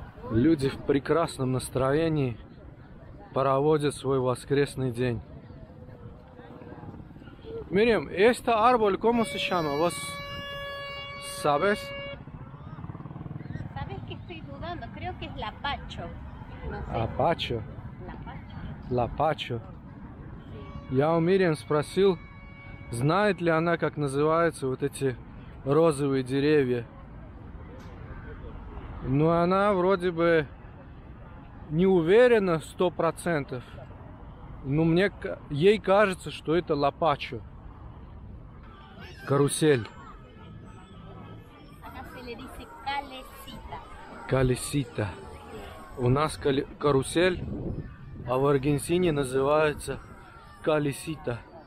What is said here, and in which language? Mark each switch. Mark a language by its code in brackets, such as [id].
[ru] Люди в прекрасном настроении проводят свой воскресный день. [es] Мирим, esta árbol, ¿cómo se llama? ¿Vos sabes? Sabes que estoy dudando, creo que es lapacho. No sé. Apacho. Lapacho. [ru] Lapacho. Я у Мирим спросил, знает ли она, как называются вот эти розовые деревья. Но она вроде бы не уверена 100%. Но мне ей кажется, что это лопачо. Карусель. Она [es] se le dice калесита. Калесита. [ru] У нас карусель, а в Аргентине называется калесита.